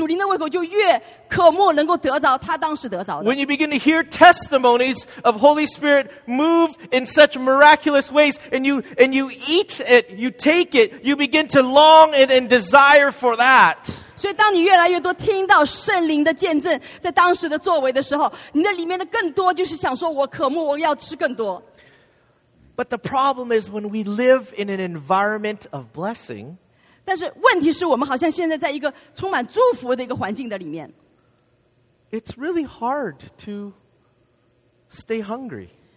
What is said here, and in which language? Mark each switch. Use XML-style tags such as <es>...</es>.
<zh>我们就当越听他的分享，我里面的那个渴慕胃口，属灵的胃口就越渴慕能够得着他当时得着的。</zh> <en>When you begin to hear testimonies of Holy Spirit move in such miraculous ways, and you eat it, you take it, you begin to long and desire for that.</en> <zh>所以当你越来越多听到圣灵的见证，在当时的作为的时候，你的里面的更多就是想说，我渴慕，我要吃更多。</zh> <en>But the problem is when we live in an environment of blessing, it's really hard to stay hungry.</en>